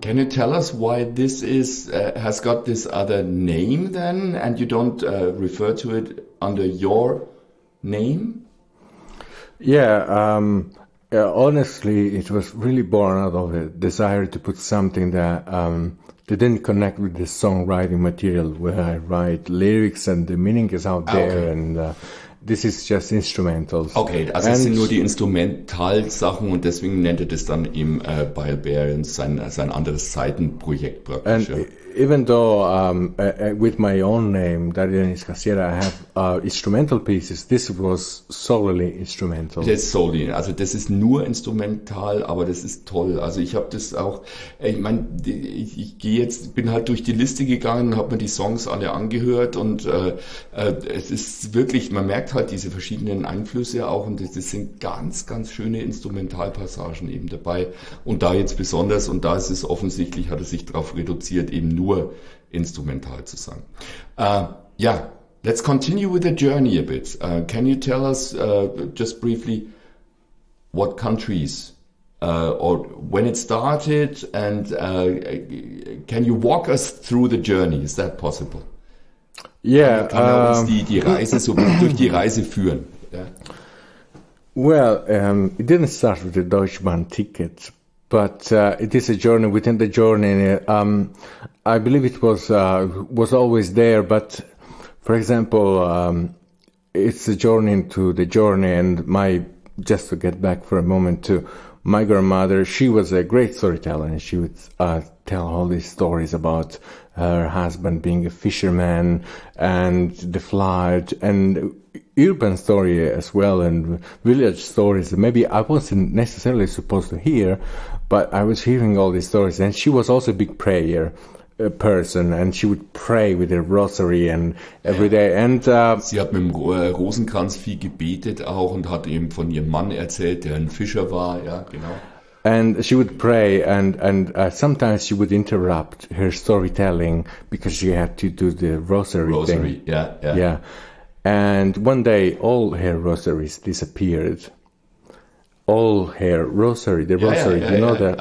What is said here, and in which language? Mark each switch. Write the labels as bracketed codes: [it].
[en] Tell us why this is has got this other name then, and you don't refer to it under your name? Yeah, honestly, it was really born out of a desire to put something that didn't connect with the songwriting material, where I write lyrics and the meaning is out there. Okay. And this is just instrumentals. [de] Okay, also es sind nur die Instrumentalsachen, und deswegen nennt er das dann eben Bayle Bear, sein anderes Seitenprojekt praktisch. [en] And even though with my own name, Darienis Casiera, I have instrumental pieces, this was solely instrumental. Yes, solely. [de] Also das ist nur instrumental, aber das ist toll. Also ich habe das auch, ich meine, ich gehe jetzt, bin halt durch die Liste gegangen, habe mir die Songs alle angehört, und es ist wirklich, man merkt halt diese verschiedenen Einflüsse auch, und das sind ganz, ganz schöne Instrumentalpassagen eben dabei, und da jetzt besonders, und da ist es offensichtlich, hat es sich darauf reduziert, eben nur instrumental zu sein. [en] Let's continue with the journey a bit. Can you tell us just briefly what countries or when it started, and can you walk us through the journey? Is that possible? Yeah, [de] die Reise so durch die Reise führen. [en] Yeah. Well, it didn't start with the Deutschbahn ticket, but it is a journey within the journey. I believe it was always there, but for example, it's a journey into the journey. And just to get back for a moment to my grandmother, she was a great storyteller, and she would tell all these stories about her husband being a fisherman and the flood, and urban story as well, and village stories. Maybe I wasn't necessarily supposed to hear, but I was hearing all these stories. And she was also a big prayer person, and she would pray with a rosary and every day. And [de] sie hat mit dem Rosenkranz viel gebetet auch, und hat eben von ihrem Mann erzählt, der ein Fischer war. Ja, genau. [en] And she would pray, and sometimes she would interrupt her storytelling because she had to do the rosary thing. Yeah. And one day all her rosaries disappeared. all hair, rosary, the rosary, you know that?